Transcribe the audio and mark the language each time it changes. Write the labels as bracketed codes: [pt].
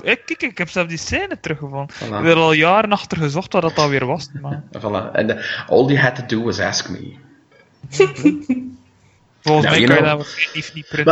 [nl] Ik heb zelf die scène teruggevonden. Voilà. Ik heb er al jaren achter gezocht wat dat alweer was. Maar... Voilà. [en] And all you had to do was ask me. [nl] Volgens mij kan je dat definitief niet printen.